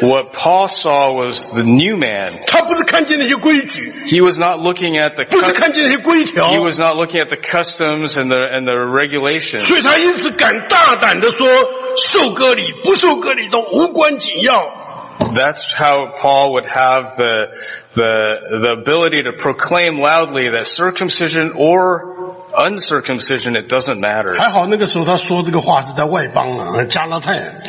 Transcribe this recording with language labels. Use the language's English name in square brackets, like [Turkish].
[English] What Paul saw was the new man. [Chinese] 他不是看见那些规矩 [English] He was not looking at the [Chinese] 不是看见那些规条 [English] He was not looking at the customs and the regulations. [Chinese] 所以他因此敢大胆地说受割礼不受割礼都无关紧要 [English] That's how Paul would have the ability to proclaim loudly that circumcision or uncircumcision, it doesn't matter. [Chinese] 还好那个时候他说这个话是在外邦啊，加拉太。